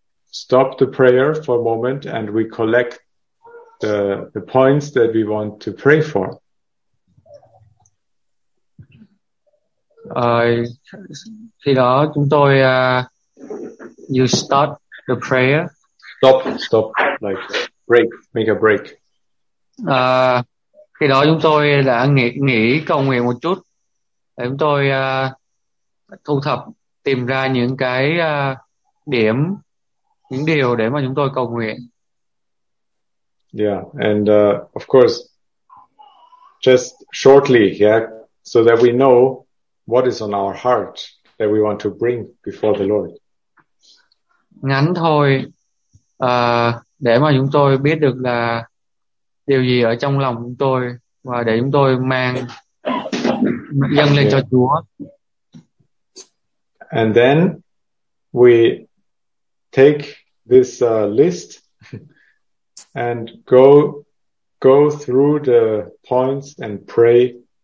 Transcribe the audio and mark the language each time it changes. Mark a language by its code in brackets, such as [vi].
[en] stop the prayer for a moment and we collect the points that we want to pray for. [vi] Khi đó chúng tôi [en] you start the prayer. Stop, like break, make a break. [vi] Khi đó chúng tôi đã nghỉ cầu nguyện một chút. Để chúng tôi thu thập, tìm ra những cái điểm, những điều để mà chúng tôi cầu nguyện. [en] Yeah, and of course, just shortly, yeah, so that we know what is on our heart that we want to bring before the Lord. [vi] Ngắn thôi, để mà chúng tôi biết được là điều gì ở trong lòng chúng tôi và để chúng tôi mang dâng lên cho Chúa. [en] And then we take this list and go through the points and pray.